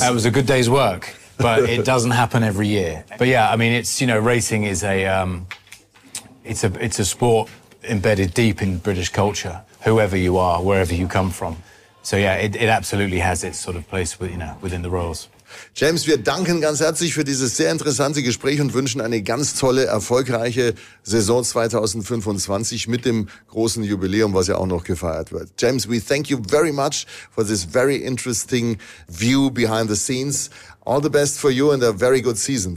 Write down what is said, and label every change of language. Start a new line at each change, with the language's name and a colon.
English: That was a good day's work, but it doesn't happen every year. But yeah, I mean, it's, you know, racing is it's a sport embedded deep in British culture, whoever you are, wherever you come from. So yeah, it absolutely has its sort of place, with, you know, within the royals.
German: James, wir danken ganz herzlich für dieses sehr interessante Gespräch und wünschen eine ganz tolle, erfolgreiche Saison 2025 mit dem großen Jubiläum, was ja auch noch gefeiert wird.
English: James, we thank you very much for this very interesting view behind the scenes. All the best for you and a very good season.